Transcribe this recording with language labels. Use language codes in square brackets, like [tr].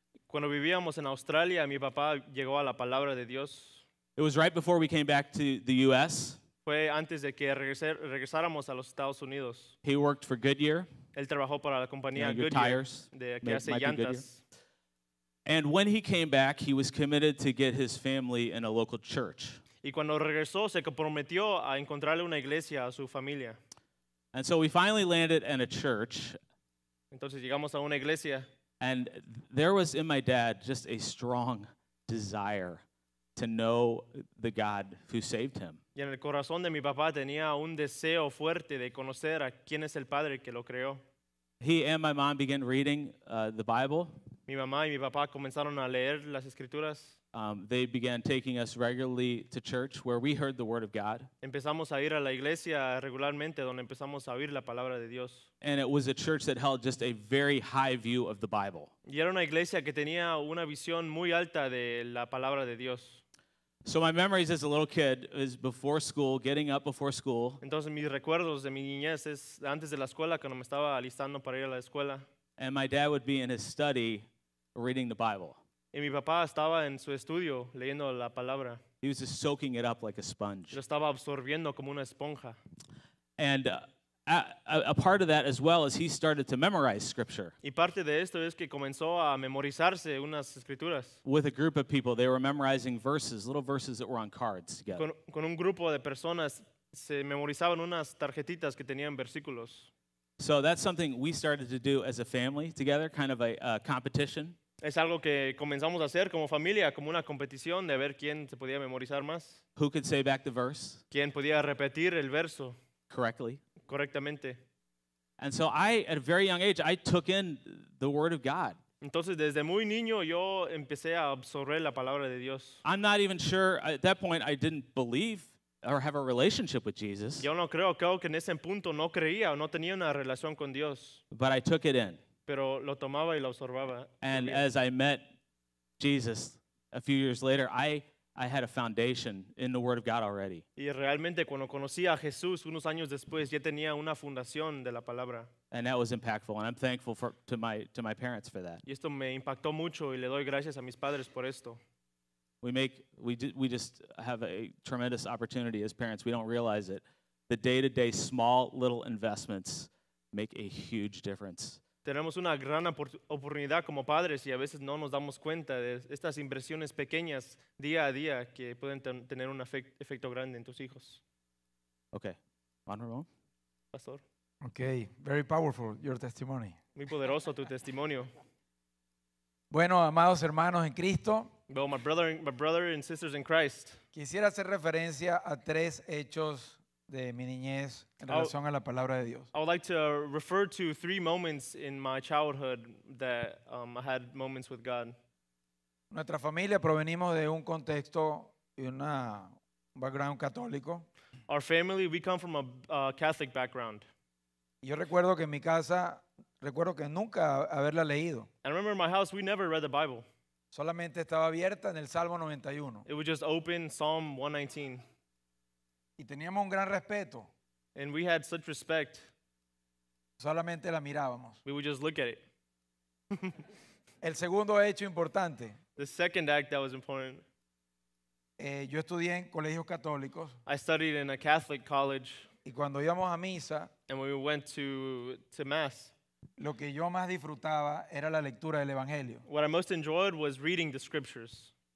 [es] Cuando vivíamos en Australia, mi papá llegó a la palabra de Dios. [en] It was right before we came back to the U.S. [es] Fue antes de que regresáramos a los Estados Unidos. [en] He worked for Goodyear. [es] Él trabajó para la compañía Goodyear, de que hace llantas. [en] And when he came back, he was committed to get his family in a local church. [es] Y cuando regresó, se comprometió a encontrarle una iglesia a su familia. [en] And so we finally landed in a church. [es] Entonces llegamos a una iglesia. [en] And there was in my dad just a strong desire to know the God who saved him. [es] Y en el corazón de mi papá tenía un deseo fuerte de conocer a quién es el Padre que lo creó. [en] He and my mom began reading the Bible. [es] Mi mamá y mi papá comenzaron a leer las escrituras. [en] They began taking us regularly to church where we heard the word of God. [es] Empezamos a ir a la iglesia regularmente donde empezamos a oír la palabra de Dios. [en] And it was a church that held just a very high view of the Bible. [es] Y era una iglesia que tenía una visión muy alta de la palabra de Dios. [en] So my memories as a little kid is before school, getting up before school. [es] Entonces mis recuerdos de mi niñez es antes de la escuela cuando me estaba alistando para ir a la escuela. [en] And my dad would be in his study reading the Bible. [es] Y mi papá estaba en su estudio leyendo la palabra. [en] He was just soaking it up like a sponge. [es] Lo estaba absorbiendo como una esponja. [en] And a part of that as well is he started to memorize scripture. [es] Y parte de esto es que comenzó a memorizarse unas escrituras. [en] With a group of people, they were memorizing verses, little verses that were on cards together. [es] Con un grupo de personas se memorizaban unas tarjetitas que tenían versículos. [en] So that's something we started to do as a family together, kind of a competition. [es] Es algo que comenzamos a hacer como familia, como una competición de ver quién se podía memorizar más. [en] Who could say back the verse? [es] ¿Quién podía repetir el verso? [en] Correctly. [es] Correctamente. [en] And so I, at a very young age, I took in the word of God. [es] Entonces, desde muy niño, yo empecé a absorber la palabra de Dios. [en] I'm not even sure, at that point, I didn't believe or have a relationship with Jesus. [es] Yo no creo que en ese punto no creía o no tenía una relación con Dios. [en] But I took it in. [es] Pero lo tomaba y lo absorbaba. [en] And as I met Jesus a few years later, I had a foundation in the Word of God already. [es] Y realmente cuando conocí a Jesús unos años después, ya tenía una fundación de la palabra. [en] And that was impactful, and I'm thankful to my parents for that. [es] Y esto me impactó mucho, y le doy gracias a mis padres por esto. [en] We just have a tremendous opportunity as parents. We don't realize it. The day-to-day small little investments make a huge difference. [es] Tenemos una gran oportunidad como padres y a veces no nos damos cuenta de estas inversiones pequeñas día a día que pueden tener un efecto grande en tus hijos. [en] Okay. Juan Ramón. Pastor. Okay. Very powerful, your testimony. [es] Muy poderoso tu testimonio. Bueno, amados hermanos en Cristo. [en] Well, my brother and sisters in Christ. [es] Quisiera hacer referencia a tres hechos de mi niñez en relación a la palabra de Dios. [en] I would like to refer to three moments in my childhood that I had moments with God. [es] Nuestra familia provenimos de un contexto y una background católico. [en] Our family, we come from a Catholic background. [es] Yo recuerdo que en mi casa recuerdo que nunca haberla leído. [en] I remember in my house we never read the Bible. [es] Solamente estaba abierta en el Salmo 91. [en] It was just open Psalm 119. [es] Y teníamos un gran respeto. [en] And we had such respect. [es] Solamente la mirábamos. [en] We would just look at it. [es] El segundo hecho importante. [en] The second act that was important. [es] Yo estudié en colegios católicos. [en] I studied in a Catholic college. [es] Y cuando íbamos a misa. [en] And when we went to mass. [es] Lo que yo más disfrutaba era la lectura del Evangelio. [en] What I most enjoyed was reading the scriptures.